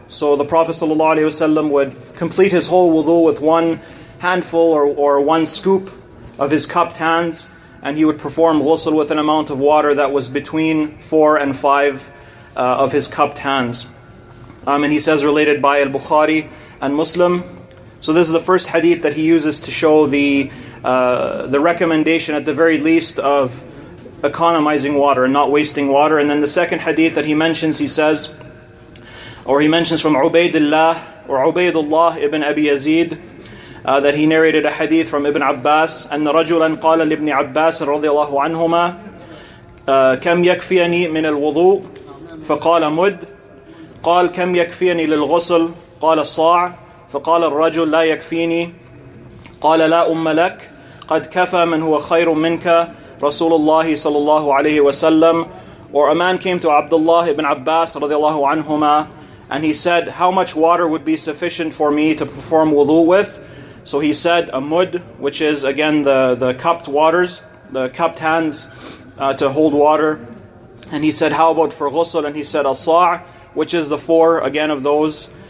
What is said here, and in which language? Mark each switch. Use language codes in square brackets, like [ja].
[en] So the Prophet ﷺ would complete his whole wudu with one handful or one scoop of his cupped hands, and he would perform ghusl with an amount of water that was between 4 and 5 of his cupped hands. And he says, related by Al-Bukhari and Muslim. So this is the first hadith that he uses to show the recommendation, at the very least, of economizing water and not wasting water. And then the second hadith that he mentions, he says, or he mentions from Ubaidullah, or Ubaidullah ibn Abi Yazid, [ar] that he narrated a hadith from Ibn Abbas, أن رجلا قال لابن عباس رضي الله عنهما كم يكفيني من الوضوء فقال مد قال كم يكفيني للغسل قال صاع فقال الرجل لا يكفيني قال لا أم لك قد كفى من هو خير منك رسول الله صلى الله عليه وسلم. [en] Or a man came to Abdullah ibn Abbas [ar] رضي الله عنهما, [en] and he said, how much water would be sufficient for me to perform wudu with? So he said, a mud, which is again the cupped waters, the cupped hands to hold water. And he said, how about for ghusl? And he said, as-sa', which is the 4 again of those.